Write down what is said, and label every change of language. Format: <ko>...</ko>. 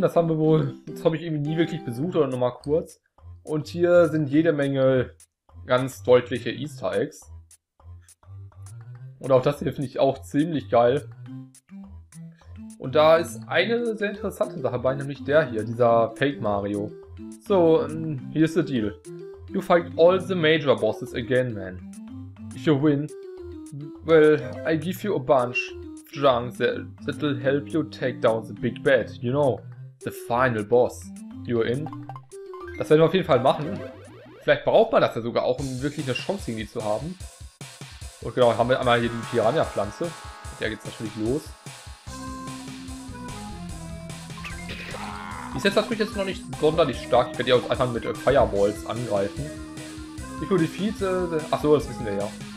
<de>Das haben wir wohl, das habe ich irgendwie nie wirklich besucht oder noch mal kurz. Und hier sind jede Menge ganz deutliche Easter Eggs. Und auch das hier finde ich auch ziemlich geil. Und da ist eine sehr interessante Sache bei, nämlich der hier, dieser Fake Mario.</de> <en>So, here's the deal. You fight all the major bosses again, man. If you win, well, I give you a bunch of junk that'll help you take down the big bad, you know, the final boss. You're in?</en> <de>Das werden wir auf jeden Fall machen. Vielleicht braucht man das ja sogar auch, um wirklich eine Chance gegen die zu haben. Und genau, haben wir einmal hier die Piranha-Pflanze. Mit der geht's natürlich los. Die ist jetzt natürlich jetzt noch nicht sonderlich stark. Ich werde die auch einfach mit Fireballs angreifen. Ich würde viel. Ach so, das wissen wir ja.</de>